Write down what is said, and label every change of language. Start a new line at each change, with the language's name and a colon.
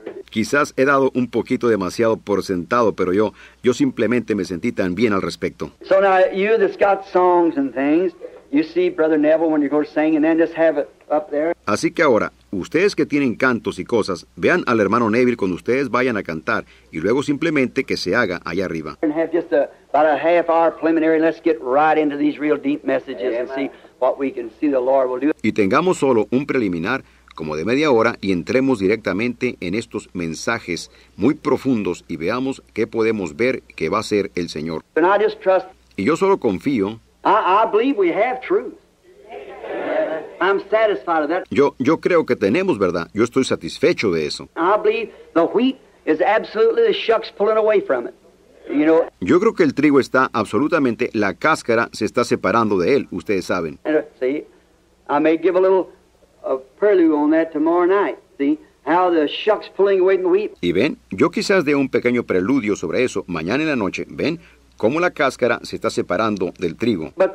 Spanish: Quizás he dado un poquito demasiado por sentado, pero yo simplemente me sentí tan bien al respecto.
English: So now, you that's got songs and things, you see Brother Neville when you go singing, and then just have it up there.
Spanish: Así que ahora, ustedes que tienen cantos y cosas, vean al hermano Neville cuando ustedes vayan a cantar, y luego simplemente que se haga allá arriba.
English: And have just about a half hour preliminary, let's get right into these real deep messages. Amen. And see what we can see the Lord will do.
Spanish: Y tengamos solo un preliminar, como de media hora, y entremos directamente en estos mensajes muy profundos y veamos qué podemos ver que va a ser el Señor.
English: And I just trust.
Spanish: Y yo solo confío.
English: I believe we have truth. I'm satisfied of that.
Spanish: Yo creo que tenemos verdad. Yo estoy satisfecho de eso.
English: I believe the wheat is absolutely the shucks pulling away from it. You know.
Spanish: Yo creo que el trigo está absolutamente, la cáscara se está separando de él. Ustedes saben.
English: See, I may give a little prelude on that tomorrow night. See how the shucks pulling away from the wheat.
Spanish: Y ven, yo quizás dé un pequeño preludio sobre eso mañana en la noche. Ven. Cómo la cáscara se está separando del trigo.